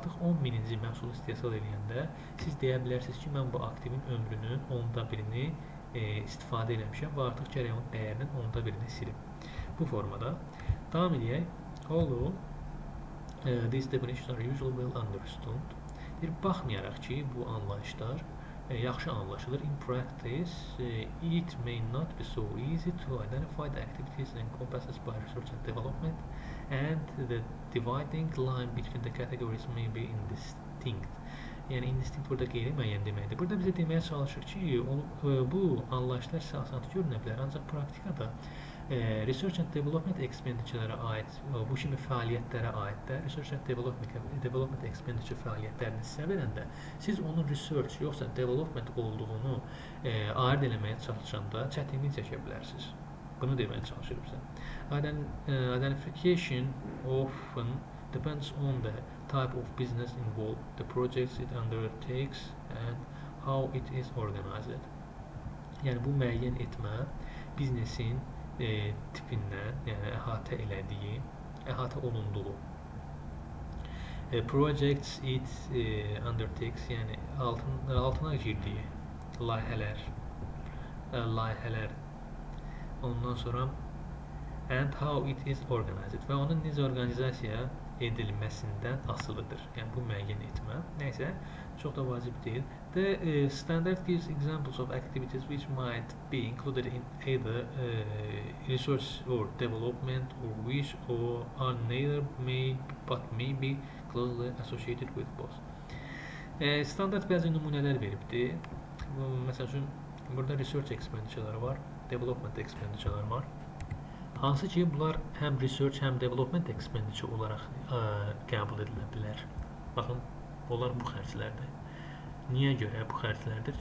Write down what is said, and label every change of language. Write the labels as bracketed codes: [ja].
[az] Artıq 10 mininci məhsul istehsal edəndə siz deyə bilərsiniz ki, mən bu aktivin ömrünün 10-da birini istifadə eləmişəm və artıq gərək onun dəyərinin 10-da birini silim. Bu formada. Davam edək. [en] Although these definitions are usually well understood. [az] Bir baxmayaraq ki, bu anlayışlar yaxşı anlaşılır. [en] In practice, it may not be so easy to identify the activities and encompasses by research and development and the dividing line between the categories may be indistinct. [az] Yəni, indistinct burada qeyri-müəyyən deməkdir. Burada bizə deməyə çalışır ki, bu anlayışlar sizə asan görünə bilər. Ancaq praktikada research and development expenditure-lərə aid, bu kimi fəaliyyətlərə aid də, research and development expenditure fəaliyyətlərini sizə verəndə, siz onun research yoxsa development olduğunu ayırd eləməyə çalışanda çətinlik çəkə bilərsiniz. Bunu deməyə çalışırıq sizə. [en] Identification often depends on the type of business involved, the projects it undertakes and how it is organized. [az] Yani bu müəyyən etmə biznesin tipindən, yani əhatə olunduğu. [en] Projects it undertakes, [az] yani altına girdiği layihələr. Ondan sonra [en] and how it is organized [az] ve onun necə organizasiya edilməsindən asılıdır. Yani bu müəyyən etmə. Neysə, çox da vacib deyil. [en] The standard gives examples of activities which might be included in either research or development or which or are neither may but may be closely associated with both. [az] Standart bəzi nümunələr veribdir. Məsəl üçün, burada research expenditure-ları var, development expenditure-ları var. Hansı ki, bunlar həm research, həm development expenditure olaraq qəbul edilə bilər. Baxın, onlar bu xərclərdir. Niyə görə bu xərclərdir?